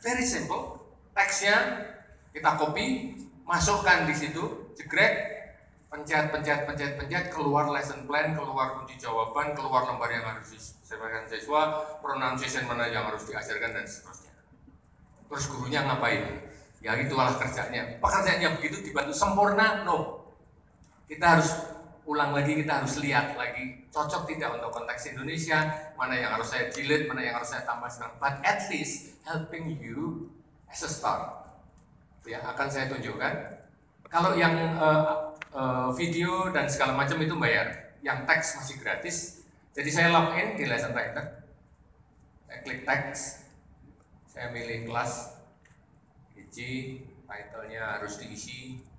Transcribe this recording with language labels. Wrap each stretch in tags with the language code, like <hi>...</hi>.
<en>Very simple,</en> <id>teksnya kita copy, masukkan di situ, jegrek, pencet, keluar lesson plan, keluar kunci jawaban, keluar lembar yang harus disampaikan siswa, pronunciation mana yang harus diajarkan dan seterusnya. Terus gurunya ngapain? Ya itulah kerjanya. Pekerjaannya begitu dibantu sempurna?</id> <en>No.</en> <id>Kita harus ulang lagi, kita harus lihat lagi cocok tidak untuk konteks Indonesia, mana yang harus saya delete, mana yang harus saya tambah sekarang.</id> <en>But at least helping you as a start.</en> <id>Ya, akan saya tunjukkan. Kalau yang video dan segala macam itu bayar, yang teks masih gratis. Jadi saya login di lesson writer. Saya klik teks. Saya milih kelas. C, title-nya harus diisi.</id>